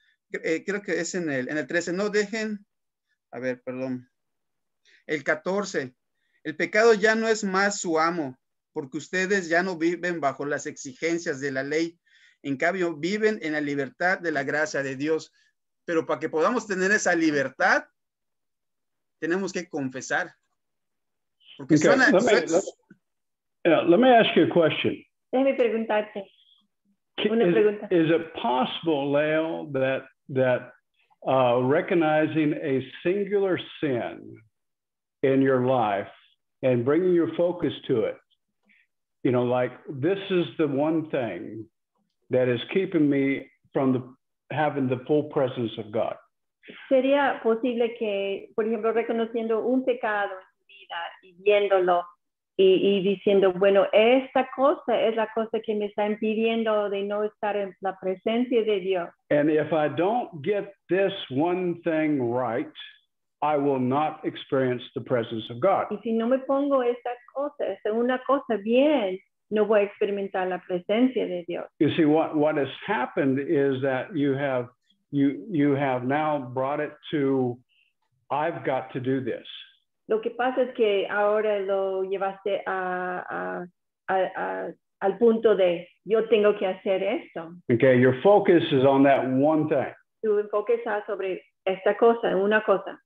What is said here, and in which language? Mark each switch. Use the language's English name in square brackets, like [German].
[Spanish] Creo que es en el 13. No dejen. A ver, perdón. El 14. El pecado ya no es más su amo. Porque ustedes ya no viven bajo las exigencias de la ley. En cambio, viven en la libertad de la gracia de Dios. Pero para que podamos tener esa libertad, tenemos que confesar. [English] Okay, let me ask you a question. [Spanish] Déjame preguntarte. [English] Is it possible, Leo, that recognizing a singular sin in your life and bringing your focus to it, you know, like this is the one thing that is keeping me from having the full presence of God? [Spanish] ¿Sería posible que, por ejemplo, reconociendo un pecado en tu vida y viéndolo y diciendo, bueno, esta cosa es la cosa que me está impidiendo de no estar en la presencia de Dios? [English] And if I don't get this one thing right, I will not experience the presence of God. [Spanish] Y si no me pongo esta una cosa bien, no voy a experimentar la presencia de Dios. [English] You see, what has happened is that you have now brought it to, I've got to do this. [Spanish] Lo que pasa es que ahora lo llevaste al punto de, yo tengo que hacer esto. [English] Okay, your focus is on that one thing. [Spanish] Tu enfoque está sobre esta cosa, una cosa.